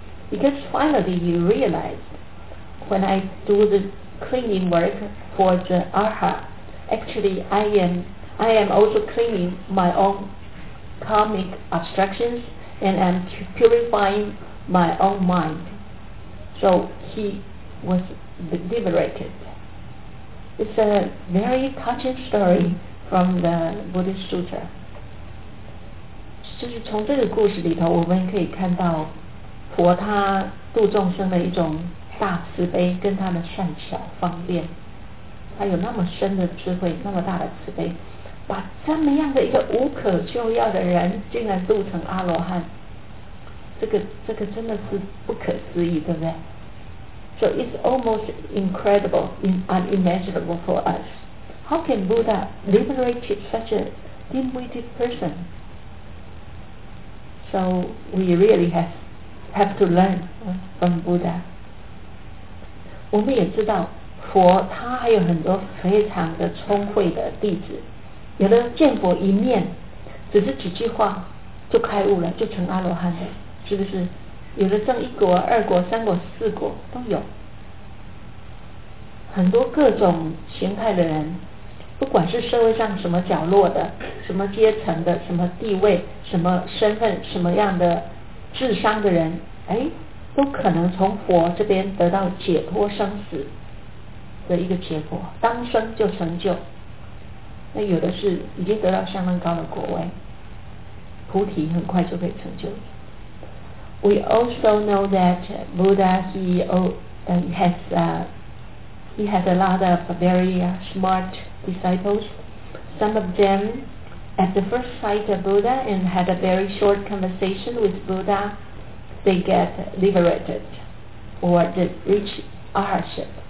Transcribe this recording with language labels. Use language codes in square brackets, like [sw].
[en] Because finally he realized, when I do the cleaning work for the arhat, actually I am also cleaning my own karmic obstructions, and I'm purifying my own mind. So he was liberated. It's a very touching story from the Buddhist Sutra. [zh] 就是从这个故事里头，我们可以看到佛他度众生的一种大慈悲，跟他的善巧方便，他有那么深的智慧，那么大的慈悲，把这么样的一个无可救药的人竟然度成阿罗汉，这个真的是不可思议，对不对？ [en] So it's almost incredible, unimaginable for us. How can Buddha liberate such a dim-witted person? So we really have to learn from Buddha. [zh] 我们也知道佛他还有很多非常的聪慧的弟子，有的见佛一面只是几句话就开悟了，就成阿罗汉了，是不是？有的证一果、二果、三果、四果都有，很多各种形态的人，不管是社会上什么角落的、什么阶层的、什么地位、什么身份、什么样的智商的人，哎，都可能从佛这边得到解脱生死的一个结果，当生就成就。那有的是已经得到相当高的果位，菩提很快就可以成就。 [en] We also know that Buddha, he has a lot of very smart disciples. Some of them, at the first sight of Buddha and had a very short conversation with Buddha, they get liberated or they reach arhatship.